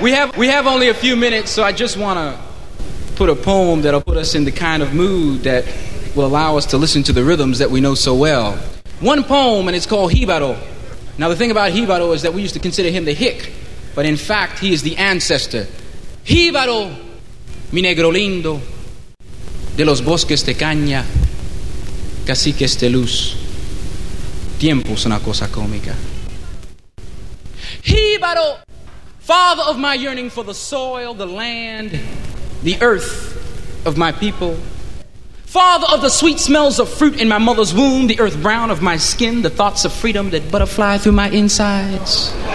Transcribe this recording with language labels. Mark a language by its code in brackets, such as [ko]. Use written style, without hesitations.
[en] We have only a few minutes, so I just want to put a poem that'll put us in the kind of mood that will allow us to listen to the rhythms that we know so well. One poem, and it's called Jíbaro. Now, the thing about Jíbaro is that we used to consider him the hick, but in fact, he is the ancestor. [es] Jíbaro, mi negro lindo, de los bosques de caña, caciques de luz, tiempo es una cosa cómica. [en] Jíbaro, father of my yearning for the soil, the land, the earth of my people. Father of the sweet smells of fruit in my mother's womb, the earth brown of my skin, the thoughts of freedom that butterfly through my insides.